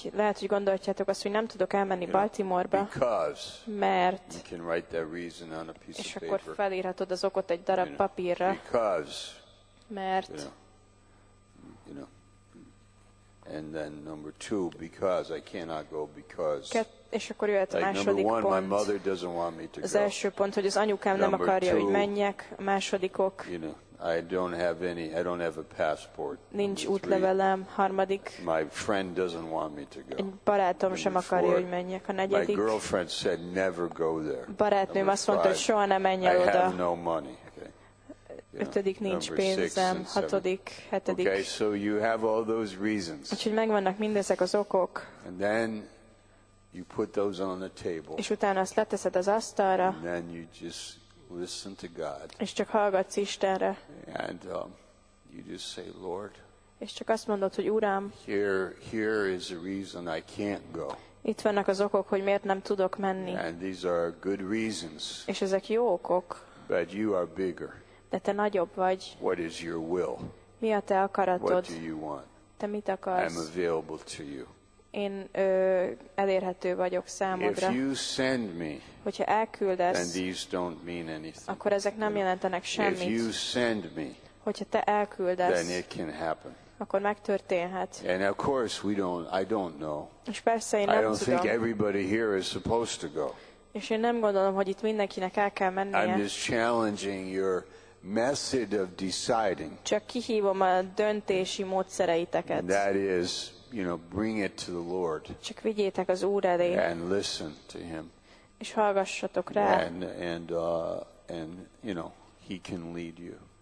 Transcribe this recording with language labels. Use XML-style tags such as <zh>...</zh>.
<hu>Lehet, hogy gondoljátok azt, hogy nem tudok elmenni Baltimoreba.</hu> <en>Because.</en> <hu>Mert.</hu> <en>You can write that reason on a piece of paper.</en> <hu>És akkor felírhatod az okot egy darab papírra.</hu> <en>Because.</en> <hu>Mert.</hu> <en>You know, and then number two, because I cannot go because.</en> <hu>És akkor jöhet a második pont.</hu> <en>Number one, my mother doesn't want me to go.</en> <hu>Az első pont, hogy az anyukám nem akarja, hogy menjek. A másodikok.</hu> <en>You know, I don't have a passport.</en> <hu>Nincs útlevelem. Harmadik.</hu> <en>My friend doesn't want me to go.</en> <hu>Egy barátom sem akarja, hogy menjek. A negyedik.</hu> <en>My girlfriend said never go there.</en> <hu>Barátnőm azt mondta, hogy soha ne menj el oda.</hu> <en>I have no money.</en> <hu>Ötödik, nincs pénzem. Hatodik, hetedik.</hu> <en>Okay, so you have all those reasons.</en> <hu>Úgyhogy megvannak mindezek az okok.</hu> <en>And then you put those on the table.</en> <hu>És utána azt leteszed az asztalra.</hu> <en>And then you just listen to God.</en> <hu>És csak hallgatsz Istenre.</hu> <en>And you just say, Lord.</en> <hu>És csak azt mondod, hogy Uram.</hu> <en>Here is a reason I can't go.</en> <hu>Itt vannak az okok, hogy miért nem tudok menni.</hu> <en>And these are good reasons.</en> <hu>És ezek jó okok.</hu> <en>But you are bigger.</en> <hu>De te nagyobb vagy.</hu> <en>What is your will?</en> <hu>Mi a te akaratod?</hu> <en>What do you want?</en> <hu>Te mit akarsz?</hu> <en>I'm available to you.</en> <hu>Én elérhető vagyok számodra.</hu> <en>If you send me,</en> <hu>hogyha elküldesz,</hu> <en>then these don't mean anything.</en> <hu>Akkor ezek nem jelentenek semmit.</hu> <en>If you send me,</en> <hu>hogyha te elküldesz,</hu> <en>then it can happen.</en> <hu>Akkor megtörténhet.</hu> <en>And of course I don't know.</en> <hu>És persze én nem tudom.</hu> <en>I don't</en> <hu>tudom.</hu> <en>Think everybody here is supposed to go.</en> <hu>És én nem gondolom, hogy itt mindenkinek el kell mennie.</hu> <en>I'm just challenging your method of deciding.</en> <hu>Csak kihívom a döntési módszereiteket.</hu> <en>That is, you know, bring it to the Lord.</en> <hu>Csak vigyétek az Úr elé.</hu> <en>And listen to him.</en> <hu>És hallgassatok rá.</hu> <en>And you know, he can lead you.</en>